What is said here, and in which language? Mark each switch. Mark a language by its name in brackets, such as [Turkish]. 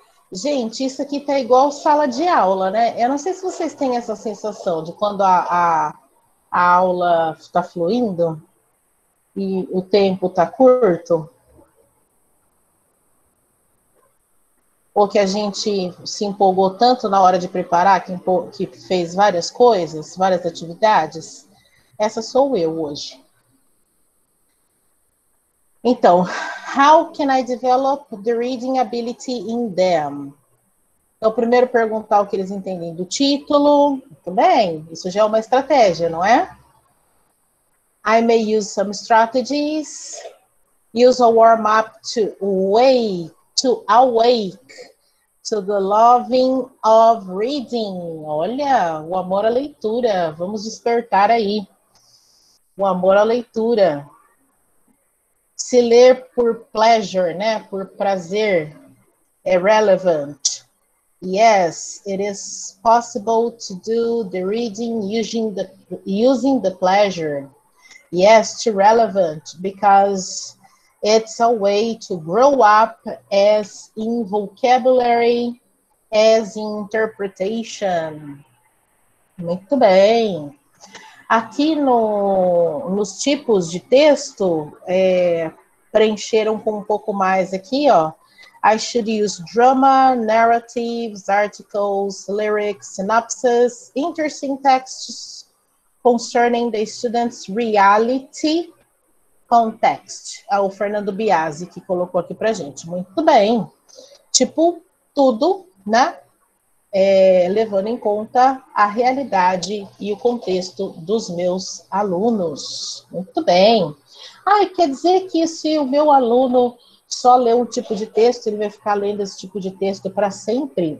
[Portuguese] Gente, isso aqui tá igual sala de aula, né? Eu não sei se vocês têm essa sensação de quando a aula está fluindo e o tempo tá curto. Ou que a gente se empolgou tanto na hora de preparar, que fez várias coisas, várias atividades. Essa sou eu hoje. Então, [English] how can I develop the reading ability in them? [Portuguese] Então, primeiro perguntar o que eles entendem do título. Muito bem, isso já é uma estratégia, não é? [English] I may use some strategies. Use a warm-up to wake, to awake, to the loving of reading. [Portuguese] Olha, o amor à leitura. Vamos despertar aí. O amor à leitura. Se ler por pleasure, né? Por prazer. É relevant. [English] Yes, it is possible to do the reading using the pleasure. Yes, to relevant, because it's a way to grow up as in vocabulary, as in interpretation. [Portuguese] Muito bem. Aqui no, nos tipos de texto, é, preencheram com um pouco mais aqui, ó. [English] I should use drama, narratives, articles, lyrics, synopsis, interesting texts concerning the student's reality context. [Portuguese] É o Fernando Biasi que colocou aqui pra gente. Muito bem. Tipo, tudo, né? É, levando em conta a realidade e o contexto dos meus alunos. Muito bem. Ah, quer dizer que se o meu aluno só ler um tipo de texto, ele vai ficar lendo esse tipo de texto para sempre?